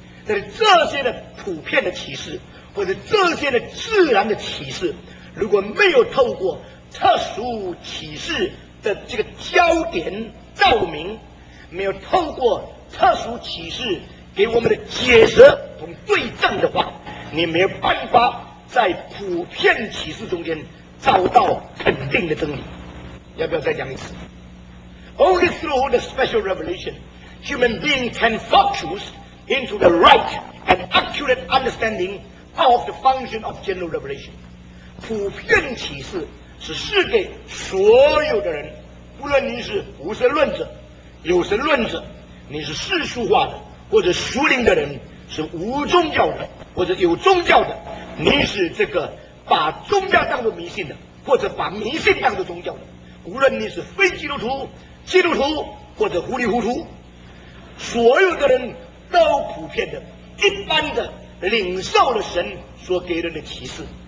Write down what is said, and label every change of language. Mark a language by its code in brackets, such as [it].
[zh] 但是这些的普遍的启示或者这些的自然的启示，如果没有透过特殊启示的这个焦点照明，没有透过特殊启示给我们的解释同对证的话，你没有办法在普遍启示中间找到肯定的真理。要不要再讲一次？ [en] Only through the special revelation human being can focus into the right and accurate understanding of the function of general revelation。 [zh] 普遍启示是赐给所有的人，不论你是无神论者有神论者，你是世俗化的或者熟灵的人，是无宗教的或者有宗教的，你是这个把宗教当作迷信的或者把迷信当作宗教的，无论你是非基督徒、基督徒或者糊里糊涂，所有的人都普遍的一般的领受了神所给人的启示。